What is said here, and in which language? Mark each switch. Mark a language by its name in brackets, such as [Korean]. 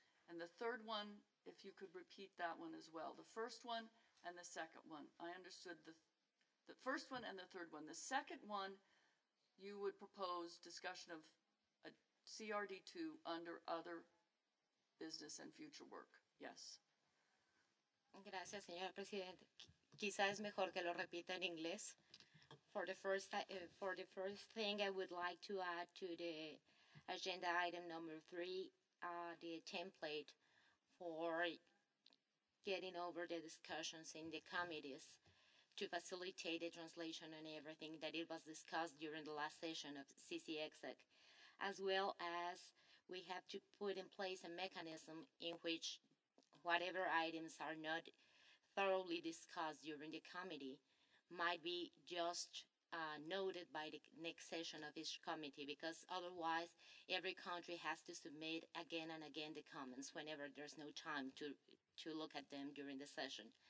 [English] And the third one, if you could repeat that one as well. The first one and the second one. I understood the first one and the third one. The second one, you would propose discussion of a CRD2 under other business and future work. Yes. [Spanish] Gracias, señor presidente. Quizás es mejor que lo repita en inglés. [English] For the first thing, I would like to add to the agenda item number 3, the template for getting over the discussions in the committees to facilitate the translation and everything that it was discussed during the last session of CCXEC, as well as we have to put in place a mechanism in which whatever items are not thoroughly discussed during the committee might be just noted by the next session of each committee, because otherwise every country has to submit again and again the comments whenever there's no time to look at them during the session.